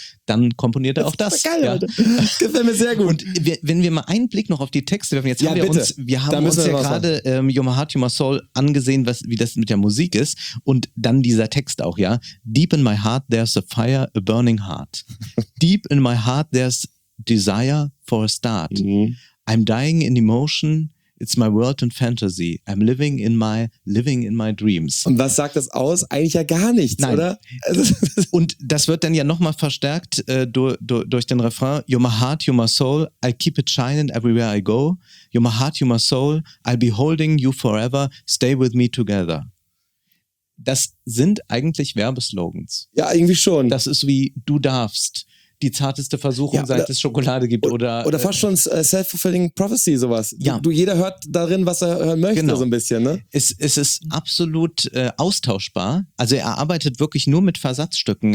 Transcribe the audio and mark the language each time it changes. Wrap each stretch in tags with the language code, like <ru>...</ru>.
<de>Dann komponiert er auch das. Geil, Alter. Das gefällt mir sehr gut. Und wenn wir mal einen Blick noch auf die Texte werfen, jetzt haben wir uns Your Heart, Your Soul angesehen, wie das mit der Musik ist. Und dann dieser Text auch, ja.</de> <en>Deep in my heart there's a fire, a burning heart. Deep in my heart there's desire for a start. Mhm. I'm dying in emotion. It's my world and fantasy. I'm living in my dreams.</en> <de>Und was sagt das aus? Eigentlich ja gar nichts, nein, oder? Und das wird dann ja nochmal verstärkt durch den Refrain.</de> <en>You're my heart, you're my soul. I'll keep it shining everywhere I go. You're my heart, you're my soul. I'll be holding you forever. Stay with me together.</en> <de>Das sind eigentlich Werbeslogans. Ja, irgendwie schon. Das ist wie du darfst. die zarteste Versuchung, ja, seit es Schokolade gibt. Oder fast schon self-fulfilling prophecy, sowas. Ja. Jeder hört darin, was er hören möchte, genau. So ein bisschen. Ne? Es ist absolut austauschbar. Also er arbeitet wirklich nur mit Versatzstücken.</de>